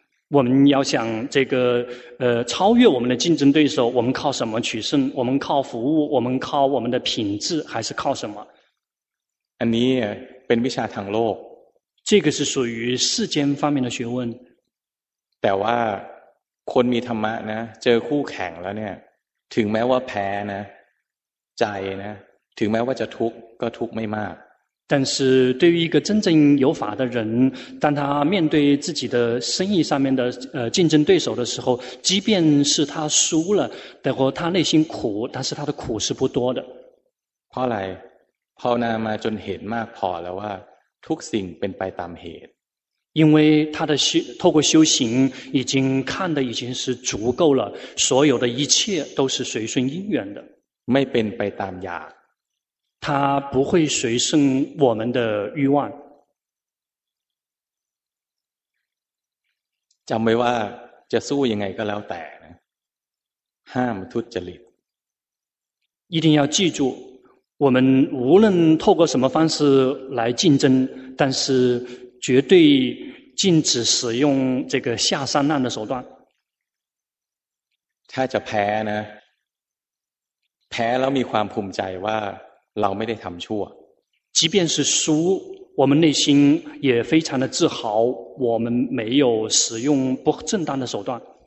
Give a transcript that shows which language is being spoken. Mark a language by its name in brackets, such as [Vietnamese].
[Chinese] 我们要想这个超越我们的竞争对手我们靠什么取胜我们靠服务我们靠我们的品质还是靠什么 [Thai] อันนี้เป็นวิชาทางโลก [Chinese] 这个是属于世间方面的学问 [Thai] แต่ว่าคนมีธรรมะนะเจอคู่แข่งแล้วเนี่ยถึงแม้ว่าแพ้นะใจนะถึงแม้ว่าจะทุกข์ก็ทุกข์ไม่มาก [Chinese] 但是对于一个真正有法的人当他面对自己的生意上面的竞争对手的时候即便是他输了然后他内心苦但是他的苦是不多的 [Thai] เพราะอะไรภาวนามาจนเห็นมากพอแล้วว่าทุกสิ่งเป็นไปตามเหตุ [Chinese] 因为他的透过修行已经看得已经是足够了所有的一切都是随顺因缘的 [Thai] ไม่เป็นไปตามอยาก เขา [Chinese] 不会随顺我们的欲望 [Thai] จำไว้ว่าจะสู้ยังไงก็แล้วแต่นะห้ามทุจริต [Chinese] 一定要记住我们无论透过什么方式来竞争但是绝对禁止使用这个下三滥的手段 [Thai] ถ้าจะแพ้นะแพ้แล้วมีความภูมิใจว่าเราไม่ได้ทำชั่ว [Chinese] 即便是输我们内心也非常的自豪我们没有使用不正当的手段